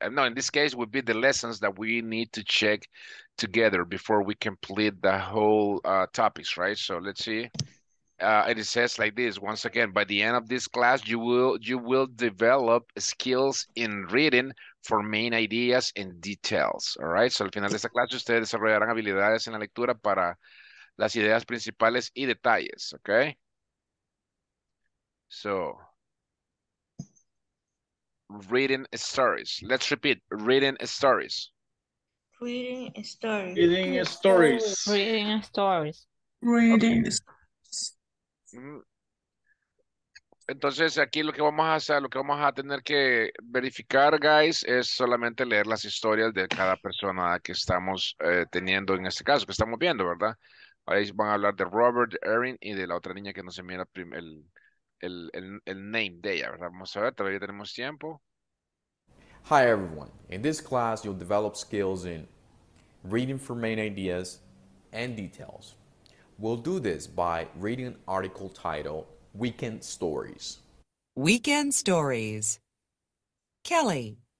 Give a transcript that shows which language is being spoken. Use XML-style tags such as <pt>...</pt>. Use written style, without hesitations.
<en>No, in this case, would be the lessons that we need to check together before we complete the whole topics, right? So let's see. And it says like this, once again, by the end of this class, you will develop skills in reading for main ideas and details, all right?</en> <es>So al final de esta clase, ustedes desarrollarán habilidades en la lectura para las ideas principales y detalles, okay?</es> <en>So, reading stories. Let's repeat, reading stories. Reading stories. Reading stories. Reading stories. Reading stories. Reading stories. Okay.</en> <es>Entonces aquí lo que vamos a hacer, lo que vamos a tener que verificar, guys, es solamente leer las historias de cada persona que estamos teniendo en este caso, que estamos viendo, ¿verdad? Ahí van a hablar de Robert, Erin y de la otra niña que no se mira el name de ella, ¿verdad? Vamos a ver, todavía tenemos tiempo.</es> <en>Hi everyone, in this class you'll develop skills in reading for main ideas and details. We'll do this by reading an article title Weekend Stories. Weekend Stories. Kelly.</en>